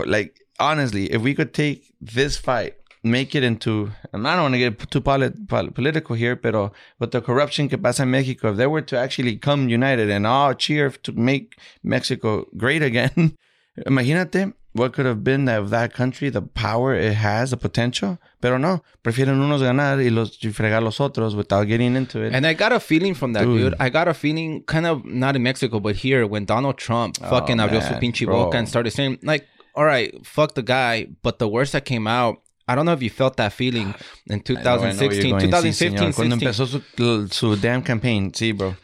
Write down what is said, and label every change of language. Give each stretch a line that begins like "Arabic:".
English: Like, honestly, if we could take this fight, make it into, and I don't want to get too political here,
Spanish: pero,
English: but the corruption
Spanish: que pasa en Mexico,
English: if they were to actually come united and all cheer to make Mexico great again,
Spanish: imagínate
English: what could have been that of that country, the power it has, the potential.
Spanish: Pero no, prefieren unos ganar y los y fregar los otros
English: without getting into it. And I got a feeling from that, dude. I got a feeling kind of, not in Mexico, but here, when Donald Trump fucking
Spanish: abrió su pinche boca
English: and started saying, like, all right, fuck the guy. But the words that came out, I don't know if you felt that feeling in 2016, 2015,
Spanish: 16. Cuando empezó su
English: damn campaign,
Spanish: sí, bro.